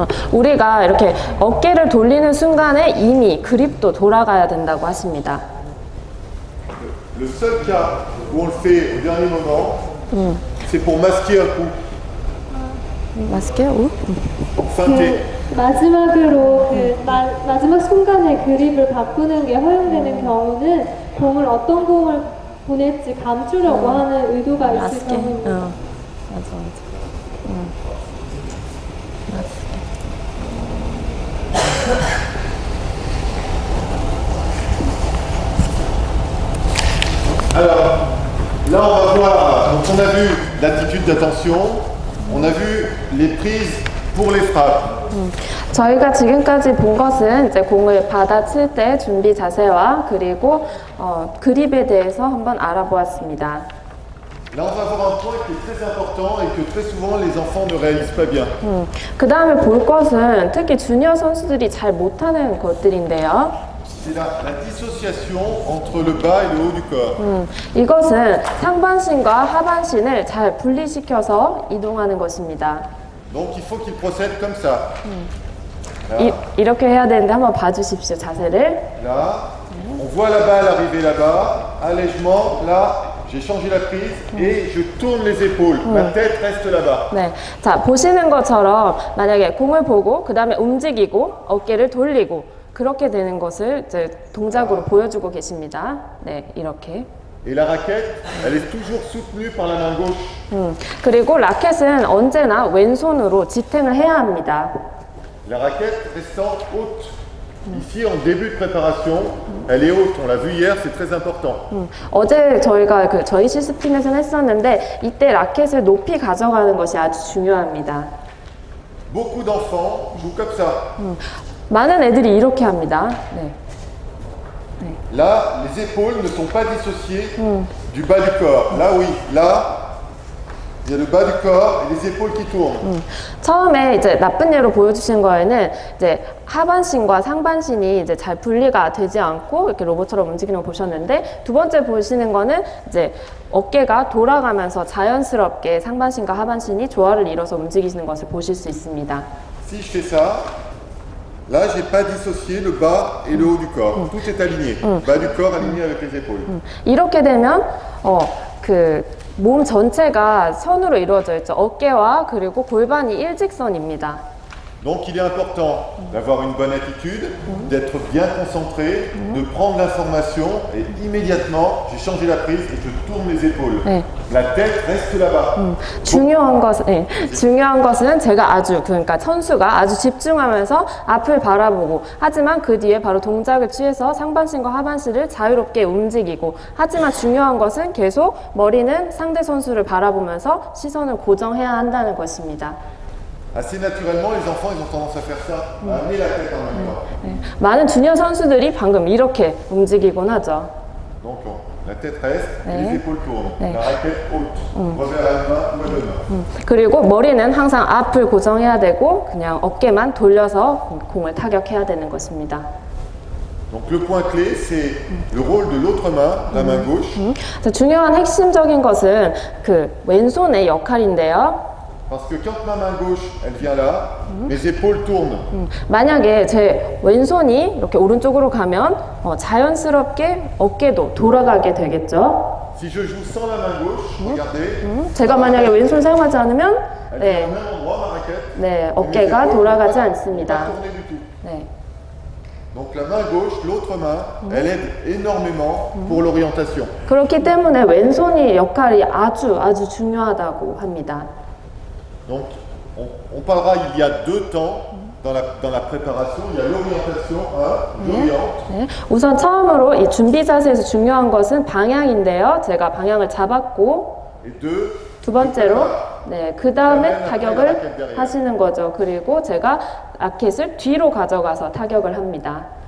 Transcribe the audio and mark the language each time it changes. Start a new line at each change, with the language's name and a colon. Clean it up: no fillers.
Korean: 우리가 이렇게 어깨를 돌리는 순간에 이미 그립도 돌아가야 된다고 하십니다.
French: Le seul cas où on le fait au dernier moment, c'est pour masquer un coup.
Korean: 마스크요? 마지막으로 마지막 순간에 그립을 바꾸는 게 허용되는 경우는 공을 어떤 공을 보낼지 감추려고 하는 의도가 있을 경우. 맞아.
French: Alors, là on va voir. Donc on a vu l'attitude d'attention. On a vu les prises pour les frappes.
Korean: 저희가 지금까지 본 것은 이제 공을 받아칠 때 준비 자세와 그리고 그립에 대해서 한번 알아보았습니다.
French: Là on va voir un point qui est très important et que très souvent les enfants ne réalisent pas bien.
Korean: 그다음에 볼 것은 특히 주니어 선수들이 잘 못하는 것들인데요.
French: C'est la dissociation entre le bas et le haut du corps.
Korean: 이것은 상반신과 하반신을 잘 분리시켜서 이동하는 것입니다.
French: Donc il faut qu'il procède comme ça.
Korean: 이렇게 해야 되는데 한번 봐주십시오 자세를.
French: Là, on voit la balle arriver là-bas. Allègement. Là, j'ai changé la prise et je tourne les épaules. Ma tête reste là-bas.
Korean: 네, 자 보시는 것처럼 만약에 공을 보고 그 다음에 움직이고 어깨를 돌리고. 그렇게 되는 것을 이제 동작으로 보여주고 계십니다. 네, 이렇게.
French: Et la raquette, elle est toujours soutenue par la main gauche.
Korean: 그리고 라켓은 언제나 왼손으로 지탱을 해야 합니다.
French: La raquette restant haute. Ici, en début de préparation, elle est haute. On l'a vu hier, c'est très important.
Korean: 어제 저희가 저희 실습팀에서 했었는데 이때 라켓을 높이 가져가는 것이 아주 중요합니다.
French: Beaucoup d'enfants jouent comme ça.
Korean: 많은 애들이 이렇게 합니다. 네. 네.
French: Là, les épaules ne sont pas dissociées du bas du corps. Là, oui. Là, il y a le bas du corps et les épaules qui tournent.
Korean: 처음에 이제 나쁜 예로 보여주신 거에는 이제 하반신과 상반신이 이제 잘 분리가 되지 않고 이렇게 로봇처럼 움직이는 걸 보셨는데 두 번째 보시는 거는 이제 어깨가 돌아가면서 자연스럽게 상반신과 하반신이 조화를 이뤄서 움직이시는 것을 보실 수 있습니다.
French: Si je fais ça. Là, j'ai pas dissocié le bas et le haut du corps. Tout est aligné. Bas du corps aligné avec les épaules.
Korean: 이렇게 되면 그 몸 전체가 선으로 이루어져 있죠. 어깨와 그리고 골반이 일직선입니다.
French: Donc il est important d'avoir une bonne attitude, d'être bien concentré, de prendre l'information et immédiatement, j'ai changé la prise et je tourne les épaules. 네. La tête reste là-bas.
Korean: 중요한 것, 네. 중요한 것은 제가 아주, 그러니까 선수가 아주 집중하면서 앞을 바라보고 하지만 그 뒤에 바로 동작을 취해서 상반신과 하반신을 자유롭게 움직이고 하지만 중요한 것은 계속 머리는 상대 선수를 바라보면서 시선을 고정해야 한다는 것입니다.
French: Assez naturellement, les enfants ils ont tendance à faire ça, à amener la tête en même temps.
Korean: 많은 주니어 선수들이 방금 이렇게 움직이곤 하죠.
French: Donc, la tête reste, les épaules tournent. La raquette haute, revers la main, ou le nord.
Korean: 그리고 머리는 항상 앞을 고정해야 되고, 그냥 어깨만 돌려서 공을 타격해야 되는 것입니다.
French: Donc, le point clé, c'est le rôle de l'autre main, la main gauche.
Korean: 자, 중요한 핵심적인 것은 그 왼손의 역할인데요.
French: Parce que quand ma main gauche elle vient là, mes épaules tournent.
Korean: 만약에 제 왼손이 이렇게 오른쪽으로 가면 자연스럽게 어깨도 돌아가게 되겠죠.
French: Si je joue sans la main gauche, regardez.
Korean: 제가 만약에 왼손 사용하지 않으면 네. 네, 어깨가 돌아가지 않습니다. 네.
French: Donc la main gauche, l'autre main, elle aide énormément pour l'orientation.
Korean: 그렇기 때문에 왼손이 역할이 아주 아주 중요하다고 합니다.
French: Donc, on parlera, il y a deux temps dans la préparation, il y a l'orientation 1, j'oriente.
Korean: 네. 우선 처음으로 이 준비 자세에서 중요한 것은 방향인데요. 제가 방향을 잡았고, 두 번째로, 네, 그 다음에 타격을 하시는 거죠. 그리고 제가 라켓을 뒤로 가져가서 타격을 합니다.